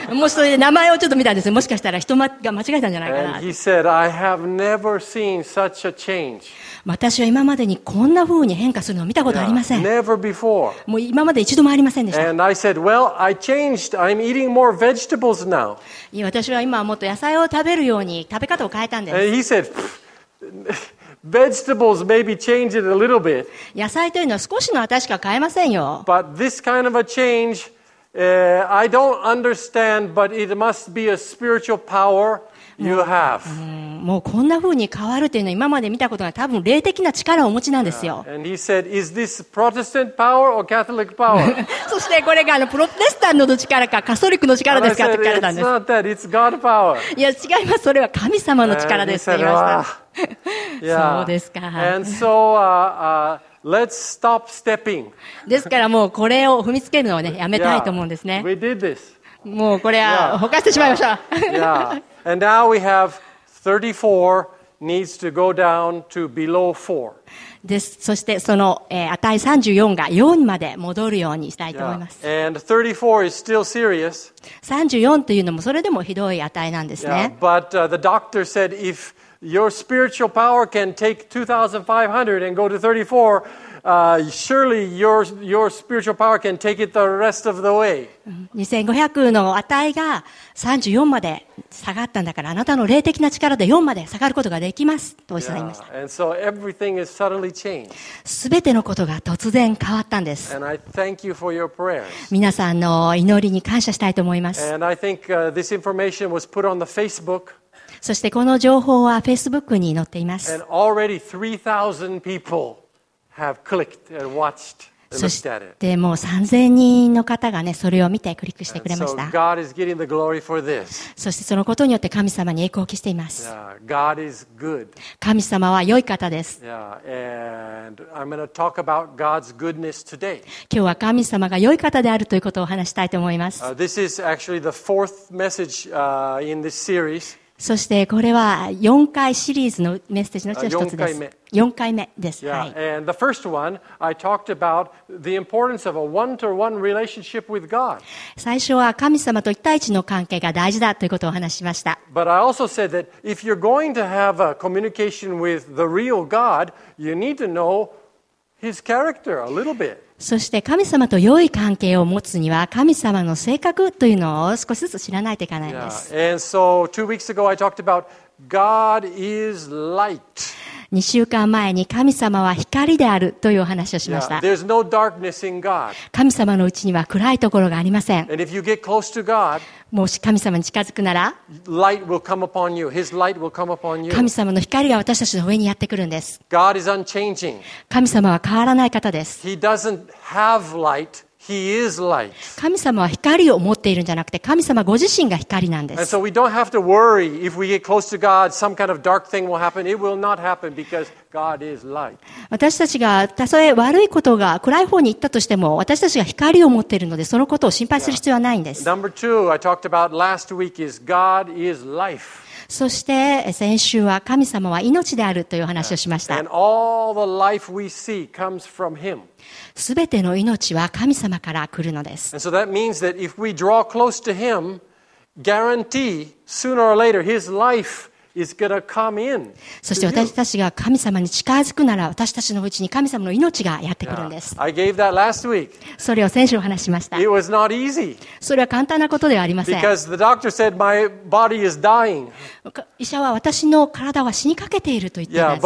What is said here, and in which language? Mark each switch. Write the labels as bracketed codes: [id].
[ja] もうそれで名前をちょっと見たんです。もしかしたら人が間違えたんじゃないかな。 [en] And he said, I have never seen such a change. [ja] 私は今までにこんな風に変化するのを見たことありません。 [en] Yeah, never before. [ja] もう今まで一度もありませんでした。 [en] And I said, well, I changed. I'm eating more vegetables now. [ja] 私は今はもっと野菜を食べるように食べ方を変えたんです。 [en] And he said, vegetables maybe change it a little bit. [ja] 野菜というのは少しの私しか変えませんよ。 [en] But this kind of a change, I don't understand, but it must be a spiritual power. You have. [ja] もうこんな風に変わるというのは今まで見たことが多分霊的な力をお持ちなんですよ。 [en] Yeah. And he said, "Is this Protestant power or Catholic power?" [ja] そしてこれがプロテスタントの力かカトリックの力ですかって聞かれたんです。 [en] It's not that. It's God power. [ja] いや違います。それは神様の力ですって言いました。 [en] Yeah. [ja] そうですか。 [en] And so, let's stop stepping. [ja] ですからもうこれを踏みつけるのをねやめたいと思うんですね。 [en] Yeah. We did this. [ja] もうこれはほかしてしまいました。 [en] Yeah. And now we have 34 needs to go down to below 4. [ja] です。そしてその、値34が4まで戻るようにしたいと思います。 [en] Yeah. And 34 is still serious. [ja] 34というのもそれでもひどい値なんですね。 [en] Yeah. But the doctor said if Your spiritual power can take 2,500 and go to 34. Surely your spiritual power can take it the rest of the way. [ja] 2500の値が34まで下がったんだから、あなたの霊的な力で4まで下がることができますとおっしゃいました。 [en] And so everything is suddenly changed. [ja] 全てのことが突然変わったんです。 [en] And I thank you for your prayers. [ja] 皆さんの祈りに感謝したいと思います。 [en] And I think this information was put on the Facebook. [ja] そしてこの情報は Facebook に載っています。 [en] And already 3,000 people have clicked and watched and looked at it. [ja] でもう3,000人の方がね、それを見てクリックしてくれました。 [en] And so God is getting the glory for this. [ja] そしてそのことによって神様に栄光を期しています。 [en] Yeah, God is good. [ja] 神様は良い方です。 [en] Yeah, and I'm going to talk about God's goodness today. [ja] 今日は神様が良い方であるということをお話したいと思います。 [en] This is actually the fourth message, in this series. [ja] そしてこれは4回シリーズのメッセージのうちの一つです。 4回目です。 [en] Yeah. [ja] はい。 [en] And the first one, I talked about the importance of a one-to-one relationship with God. [ja] 最初は神様と一対一の関係が大事だということをお話ししました。 [en] But I also said that if you're going to have a communication with the real God, you need to know his character a little bit. [ja] そして神様と良い関係を持つには神様の性格というのを少しずつ知らないといけないんです。 [en] Yeah. And so, 2 weeks ago I talked about God is light. [ja] 2週間前に神様は光であるというお話をしました。 [en] Yeah. There's no darkness in God. [ja] 神様のうちには暗いところがありません。 [en] And if you get close to God, [ja] もし神様に近づくなら [en] light will come upon you. His light will come upon you. [ja] 神様の光が私たちの上にやってくるんです。 [en] God is unchanging. [ja] 神様は変わらない方です。 [en] He doesn't have light. He is light. [ja] 神様は光を持っているんじゃなくて神様ご自身が光なんです。 [en] And so we don't have to worry if we get close to God some kind of dark thing will happen. It will not happen because God is light. [ja] 私たちがたとえ悪いことが暗い方に行ったとしても私たちが光を持っているのでそのことを心配する必要はないんです。 [en] Number two, I talked about last week is God is life. [ja] そして先週は神様は命であるという話をしました。 [en] And all the life we see comes from him. [ja] 全ての命は神様から来るのです。 [en] And so that means that if we draw close to him, guarantee sooner or later his life is going to come in. [ja] そして私たちが神様に近づくなら私たちのうちに神様の命がやってくるんです。 [en] Yeah. I gave that last week. [ja] それを先週お話しました。 [en] It was not easy. [ja] それは簡単なことではありません。 [en] Because the doctor said my body is dying. [ja] 医者は私の体は死にかけていると言っています。